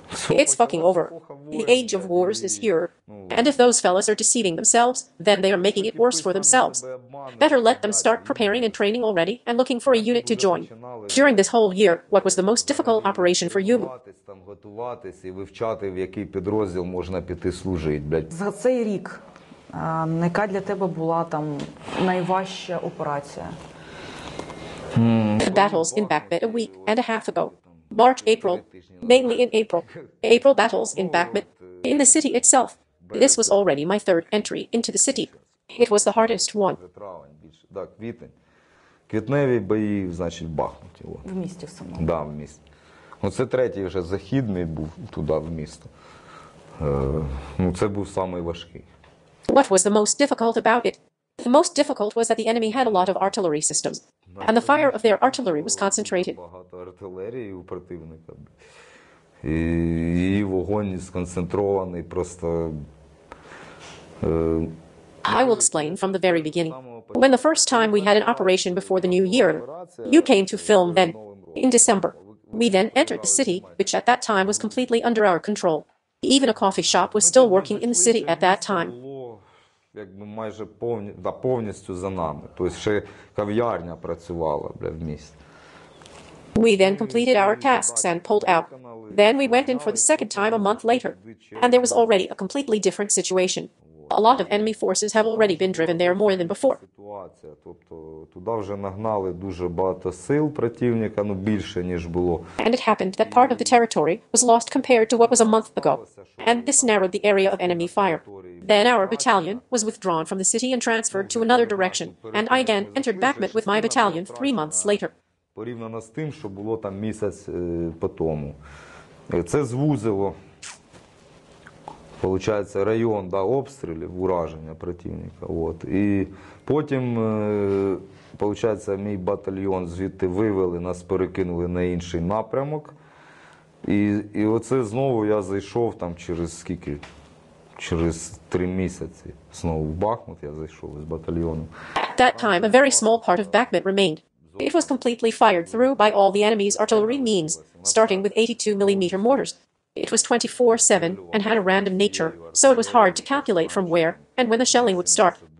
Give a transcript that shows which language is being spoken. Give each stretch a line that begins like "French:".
English: It's fucking over. The age of wars is here. And if those fellas are deceiving themselves, then they are making it worse for themselves. Better let them start preparing and training already and looking for a unit to join. During this whole year, what was the most difficult operation for you?
Ukrainian: Готуватися і вивчати, в який підрозділ можна піти служити, блядь. За цей рік, яка для тебе була там найважча операція?
English: The battles in Backbit a week and a half ago. March, April. Mainly in April. April battles in Backbit. In the city itself. This was already my third entry into the city. It was the hardest one.
Ukrainian: Так, квітень. Квітневі бої, значить, в Бахмуті. В місті в самому. Так, в місті. Ну, це третій вже західний був туди, в місто. Ну, це був самий важкий.
English: What was the most difficult about it? The most difficult was that the enemy had a lot of artillery systems. And the fire of their artillery was concentrated.
Ukrainian: Багато артилерії у противника. І її вогонь сконцентрований просто...
English: I will explain from the very beginning. When the first time we had an operation before the new year, you came to film then, in December. We then entered the city, which at that time was completely under our control. Even a coffee shop was still working in the city at that time.
Ukrainian: Якби майже повністю за нами. Тобто ще кав'ярня працювала, бля, в місті.
English: We then completed our tasks and pulled out. Then we went in for the second time a month later. And there was already a completely different situation. A lot of enemy forces have already been driven there more than before.
Ukrainian: Ситуація, тобто туди вже нагнали дуже багато сил противника, ну більше, ніж було.
English: And it happened that part of the territory was lost compared to what was a month ago. And this narrowed the area of enemy fire. Then our battalion was withdrawn from the city and transferred to another direction. And I again entered Backmit with my battalion 3 months later.
Ukrainian: Порівняно з тим, що було там місяць по тому. Це звузило. Получається район, да, обстрілів, ураження противника. От. І потім, получається, мій батальйон звідти вивели, нас перекинули на інший напрямок. І оце знову я зайшов там через скільки? Через 3 місяці. Знову в Бахмут я зайшов з батальйоном.
English: At that time a very small part of Backmit remained. It was completely fired through by all the enemy's artillery means, starting with 82mm mortars. It was 24/7 and had a random nature, so it was hard to calculate from where and when the shelling would start.